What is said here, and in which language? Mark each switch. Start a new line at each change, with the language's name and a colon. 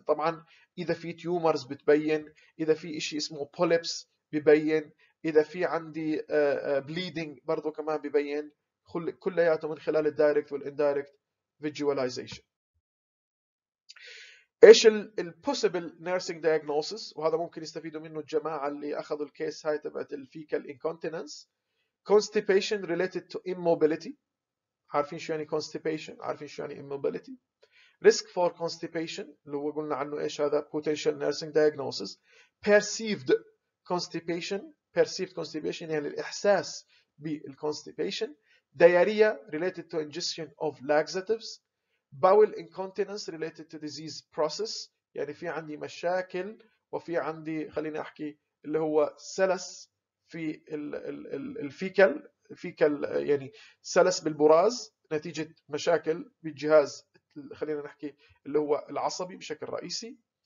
Arabic: طبعا اذا في تيومرز بتبين، اذا في شيء اسمه بوليبس ببين، اذا في عندي بليدنج برضه كمان ببين. كلياته من خلال الدايركت والاندايركت فيجواليزيشن. ايش
English: البوسيبل nursing diagnoses?
Arabic: وهذا ممكن يستفيدوا منه الجماعه اللي اخذوا الكيس هاي تبعت الفيكال انكونتيننس.
English: constipation related to immobility.
Arabic: عارفين شو يعني constipation؟ عارفين شو يعني immobility؟ risk for constipation اللي هو قلنا عنه ايش هذا
English: potential nursing diagnosis. perceived constipation, perceived constipation
Arabic: يعني الاحساس بالconstipation.
English: diarrhea related to ingestion of laxatives. bowel incontinence related to disease process,
Arabic: يعني في عندي مشاكل وفي عندي خليني احكي اللي هو سلس في الفيكل, فيكل يعني سلس بالبراز نتيجة مشاكل بالجهاز خلينا نحكي اللي هو العصبي بشكل رئيسي.